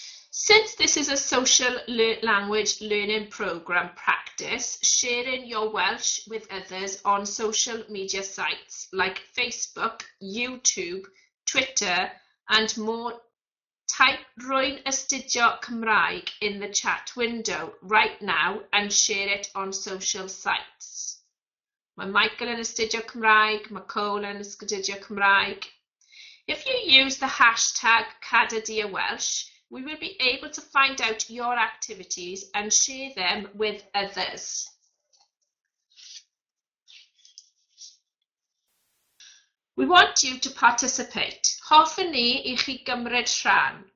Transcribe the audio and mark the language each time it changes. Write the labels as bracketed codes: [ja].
[en] Since this is a social language learning programme practice, sharing your Welsh with others on social media sites like Facebook, YouTube, Twitter and more, type [cy] Rwy'n Astudio Cymraeg [en] in the chat window right now and share it on social sites. [cy] Mae Michael yn astudio Cymraeg, mae Cole yn astudio Cymraeg. [en] If you use the hashtag Cada Dia Welsh, we will be able to find out your activities and share them with others. We want you to participate. [cy] Hoffwn ni I chi gymryd rhan.